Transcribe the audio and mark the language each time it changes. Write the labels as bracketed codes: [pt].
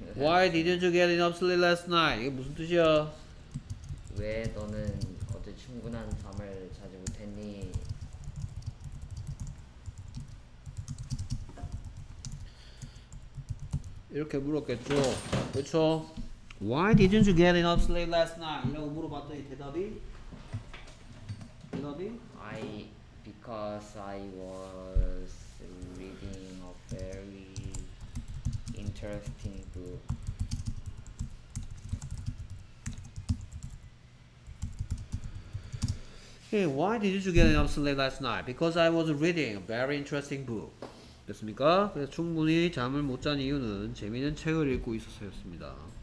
[en] Why didn't you get enough sleep last night? [ko] 이게 무슨 뜻이야? 왜 너는 어제 충분한 잠을 자지 못했니? 이렇게 물었겠죠. 그렇죠? [en] Why didn't you get enough sleep last night? [ko] 이라고 물어봤더니 대답이? 대답이? [en] Because I was reading a very interesting book. 예, why didn't you get enough sleep last night? Because I was reading a very interesting book. [ko] 됐습니까? 그래서 충분히 잠을 못 잔 이유는 재미있는 책을 읽고 있어서였습니다.